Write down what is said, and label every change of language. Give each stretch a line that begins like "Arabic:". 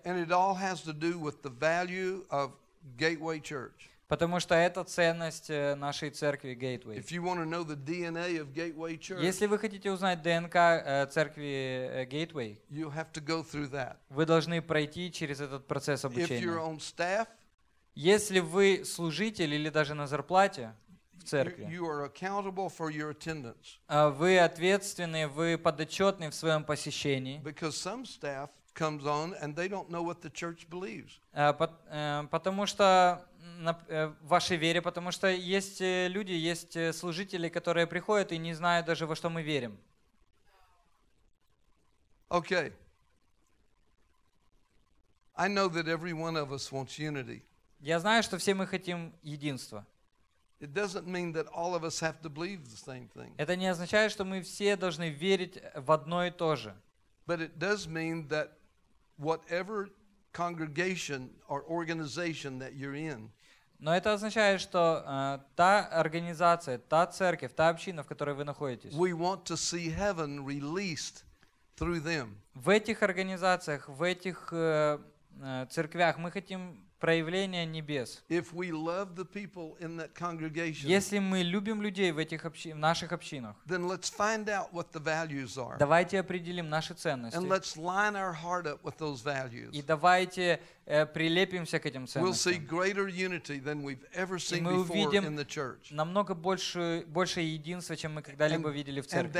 English: And it all has to do with the value of Gateway Church.
Russian: Потому что это ценность нашей церкви Gateway.
English: If you want to know the DNA of Gateway Church,
Russian: если вы хотите узнать ДНК церкви Gateway,
English: you have to go through that.
Russian: Вы должны пройти через этот процесс обучения.
English: If you're on staff,
Russian: если вы служитель или даже на зарплате в церкви,
English: you are accountable for your attendance.
Russian: Вы ответственны, вы подотчетны в своем посещении.
English: Because some staff comes on and they don't know what the church believes.
Russian: Потому что в вашей вере, потому что есть люди, есть служители, которые приходят и не знают даже, во что мы верим.
English: Okay. I know that every one of us wants unity.
Russian: Я знаю, что все мы хотим единства.
English: It doesn't mean that all of us have to believe the same thing.
Russian: Это не означает, что мы все должны верить в одно и то же.
English: But it does mean that whatever congregation or organization that you're in.
Russian: Но это означает, что та организация, та церковь, та община, в которой вы находитесь.
English: We want to see heaven released through them.
Russian: В этих организациях, в этих церквях мы хотим проявления небес.
English: If we love the people in that congregation.
Russian: Если мы любим людей в этих в наших общинах.
English: Then let's find out what the values are.
Russian: Давайте определим наши ценности.
English: And let's line our heart up with those values.
Russian: И давайте прилепимся к этим ценностям.
English: We'll see greater unity than we've ever seen before in the church.
Russian: И мы увидим намного больше единства, чем мы когда-либо видели в церкви.